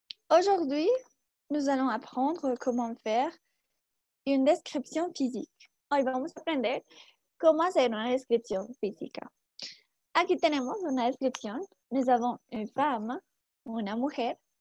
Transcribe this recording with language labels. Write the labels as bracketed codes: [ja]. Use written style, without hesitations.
[fr] Aujourd'hui, nous allons apprendre comment faire une description physique. [es] Hoy vamos a aprender cómo hacer una descripción física. Aquí tenemos una descripción. [fr] Nous avons une femme, [es] una mujer.